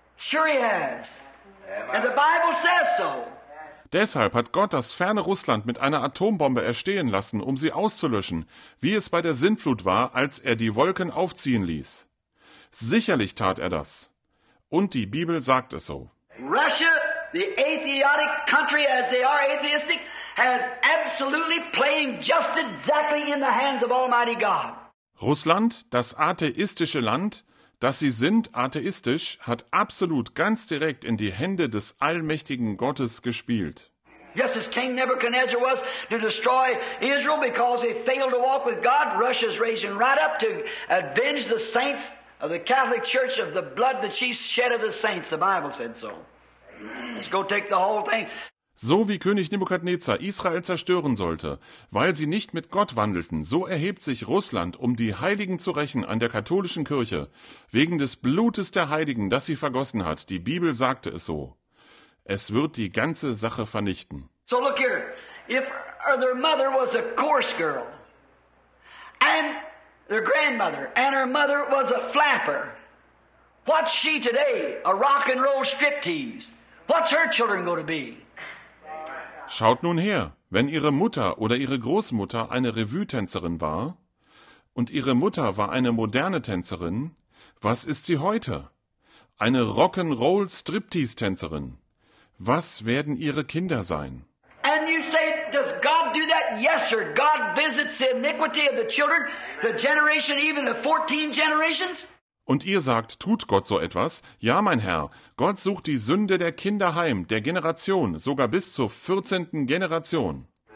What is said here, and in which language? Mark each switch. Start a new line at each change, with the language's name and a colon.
English: Sure he has. And the Bible says so.
German: Deshalb hat Gott das ferne Russland mit einer Atombombe erstehen lassen, um sie auszulöschen, wie es bei der Sintflut war, als er die Wolken aufziehen ließ. Sicherlich tat er das. Und die Bibel sagt es so.
English: Russia, the atheistic country as they are atheistic, has absolutely playing just exactly in the hands of Almighty God.
German: Russland, das atheistische Land, dass sie sind atheistisch, hat absolut ganz direkt in die Hände des allmächtigen Gottes gespielt.
English: Just as King Nebuchadnezzar was to destroy Israel because he failed to walk with God, Russia's raising right up to avenge the saints of the Catholic Church of the blood that she shed of the saints. The Bible said so. Let's go take the whole thing.
German: So wie König Nebukadnezar Israel zerstören sollte, weil sie nicht mit Gott wandelten, so erhebt sich Russland, um die Heiligen zu rächen an der katholischen Kirche, wegen des Blutes der Heiligen, das sie vergossen hat. Die Bibel sagte es so. Es wird die ganze Sache vernichten.
English: So look here, if their mother was a coarse girl, and their grandmother, and her mother was a flapper, what's she today, a rock and roll striptease? What's her children going to be?
German: Schaut nun her, wenn ihre Mutter oder ihre Großmutter eine Revue-Tänzerin war und ihre Mutter war eine moderne Tänzerin, was ist sie heute? Eine Rock'n'Roll-Striptease-Tänzerin. Was werden ihre Kinder sein?
English: And you say, does God do that? Yes, sir. God visits the iniquity of the children, the generation, even the 14 generations.
German: Und ihr sagt, tut Gott so etwas? Ja, mein Herr, Gott sucht die Sünde der Kinder heim, der Generation, sogar bis zur 14. Generation.